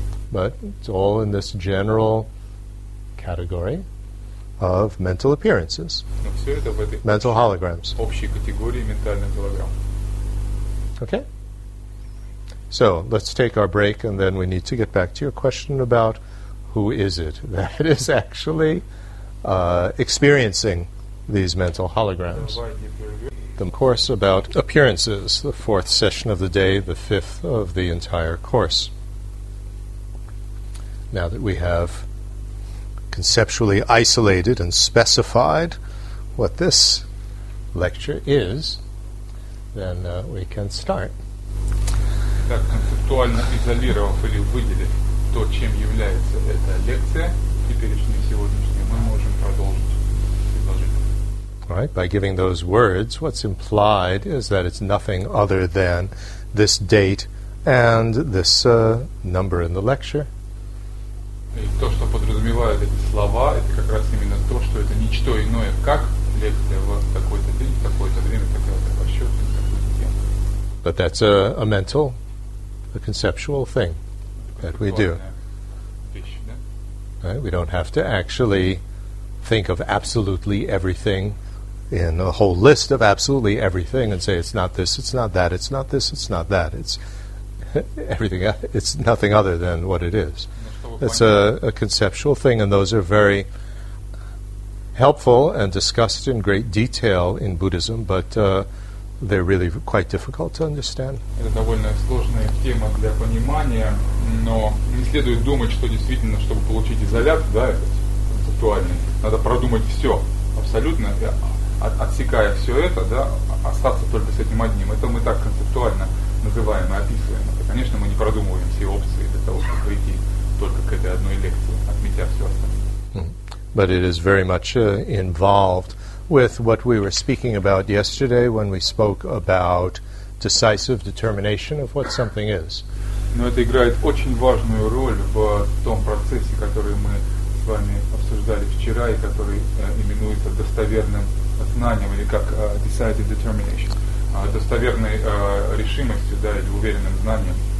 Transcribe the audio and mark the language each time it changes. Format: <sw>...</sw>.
<en>But it's all in this general category of mental appearances.</en> <ru>Но все это в этой</ru> <en>mental holograms.</en> <ru>Общей категории ментальных голограмм.</ru> <en>Okay. So, let's take our break, and then we need to get back to your question about who is it that is actually experiencing these mental holograms. The course about appearances, the fourth session of the day, the fifth of the entire course. Now that we have conceptually isolated and specified what this lecture is, then we can start.</en> <ru>Так, концептуально изолировав или выделив то, чем является эта лекция, теперешняя и сегодняшняя, мы можем продолжить изложить.</ru> <en>Right, by giving those words, what's implied is that it's nothing other than this date and this number in the lecture.</en> <ru>И то, что подразумевают эти слова, это как раз именно то, что это ничто иное, как лекция в такой-то день, в такое-то время, такая-то по счету, такой-то тема.</ru> <en>But that's a mental, a conceptual thing that we do. Right? We don't have to actually think of absolutely everything in a whole list of absolutely everything and say it's not this, it's not that, it's not this, it's not that. It's everything. It's nothing other than what it is. It's a conceptual thing, and those are very helpful and discussed in great detail in Buddhism, but they're really quite difficult to understand.</en> <ru>Это довольно сложная тема для понимания, но не следует думать, что действительно, чтобы получить изоляцию, да, это концептуально, надо продумать все абсолютно, отсекая все это, да, остаться только с этим одним. Это мы так концептуально называем и описываем. Это, конечно, мы не продумываем все опции для того, чтобы прийти только к этой одной лекции, отметя все остальное.</ru> <en>But it is very much involved with what we were speaking about yesterday when we spoke about decisive determination of what something is.</en> <ru>Но это играет очень важную роль в том процессе, который мы с вами обсуждали вчера и который именуется достоверным знанием или как</ru> <en>decisive determination,</en> <ru>достоверной решимостью, да, или уверенным знанием.</ru>